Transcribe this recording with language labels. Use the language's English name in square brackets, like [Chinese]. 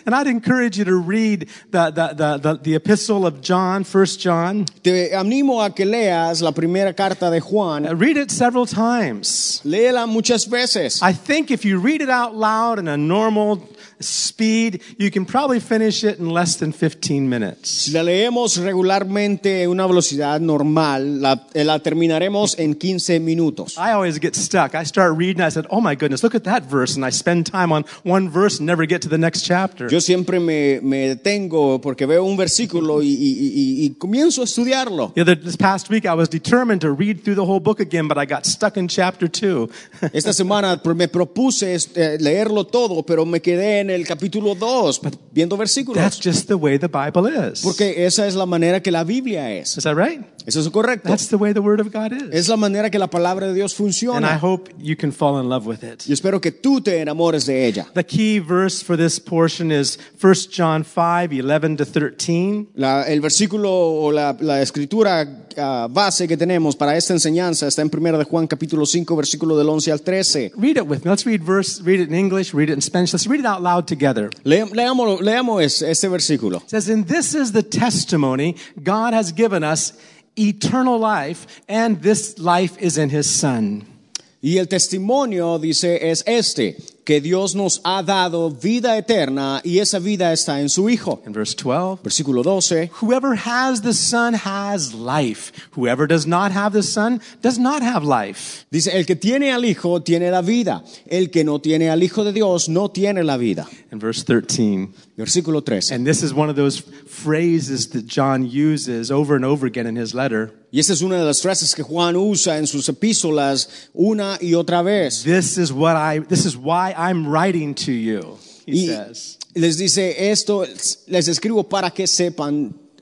[English] And I'd encourage you to read the epistle of John, 1 John. [Spanish] Te animo a que leas la primera carta de Juan. [English] Read it several times. [Spanish] Léela muchas veces. [English] I think if you read it out loud in a normal speed, you can probably finish it in less than 15 minutes. [Spanish] Si la leemos regularmente a una velocidad normal, la terminaremos en 15 minutos. [English] I always get stuck. I start reading, I said, oh my goodness, look at that verse, and I spend time on one verse and never get to the next chapter. [Spanish] Yo siempre me detengo porque veo un versículo y comienzo a estudiarlo. [English] Yeah, this past week I was determined to read through the whole book again, but I got stuck in chapter 2. [Spanish] Esta semana me propuse leerlo todo, pero me quedé en el capítulo 2 viendo versículos. [English] That's just the way the Bible is. [Spanish] Porque esa es la manera que la Biblia es. [English] Is that right? [Spanish] Eso es correcto. [English] That's the way the word of God is. [Spanish] Es la manera que la palabra de Dios funciona. [English] And I hope you can fall in love with it. [Spanish] Y espero que tú te enamores de ella. [English] The key verse for this portion is 1 John 5:11-13. [Spanish] El versículo o la escritura base que tenemos para esta enseñanza está en 1 de Juan capítulo 5 versículo del 11 al 13. [English] Read it with me. Let's read verse, read it in English, read it in Spanish. Let's read it out loud together. [Spanish] Leamos este versículo. [English] It says, and this is the testimony God has given us, eternal life, and this life is in his Son. [Spanish] Y el testimonio, dice, es este, que Dios nos ha dado vida eterna, y esa vida está en su Hijo. [English] In verse 12, [Spanish] versículo 12, [English] whoever has the Son has life. Whoever does not have the Son does not have life. [Spanish] Dice, el que tiene al Hijo tiene la vida. El que no tiene al Hijo de Dios no tiene la vida. [English] In verse 13, [Spanish] versículo 13, [English] and this is one of those phrases that John uses over and over again in his letter. [Spanish] Y esta es una de las frases que Juan usa en sus epístolas una y otra vez. [English] This is why I'm writing to you, he says. [Spanish] Les dice esto, les escribo para que sepan.